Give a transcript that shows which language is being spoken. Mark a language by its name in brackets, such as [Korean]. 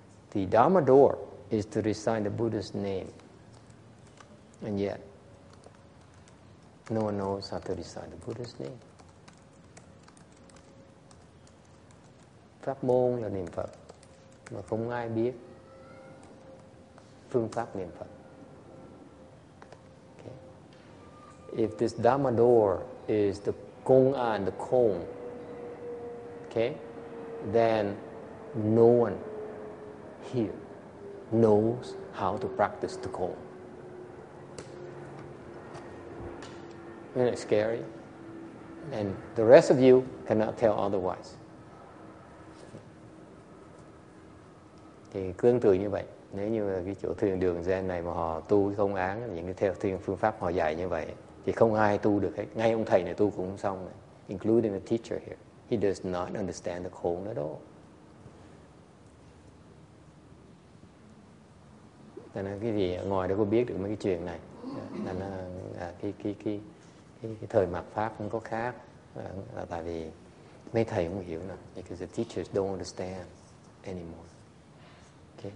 [English] The Dharma door is to recite the Buddha's name, and yet no one knows how to recite the Buddha's name. [Vietnamese] Pháp môn là niệm Phật, mà không ai biết phương pháp niệm Phật. [English] If this Dharma door is the gong and the kong, okay, then no one here knows how to practice the kong. Isn't it scary? And the rest of you cannot tell otherwise. [Vietnamese] Thì tương tự như vậy. Nếu như cái chỗ thiền đường Zen này mà họ tu công án, những cái theo thiền phương pháp họ dạy như vậy, thì không ai tu được hết. Ngay ông thầy này tu cũng xong rồi. [English] Including the teacher here. He does not understand the kong at all. [Vietnamese] Thế nên cái gì ngồi đó có biết được mấy cái chuyện này. Thế nên cái thời mạt pháp cũng có khác. Là tại vì mấy thầy không hiểu nữa. [English] Because the teachers don't understand anymore. Okay?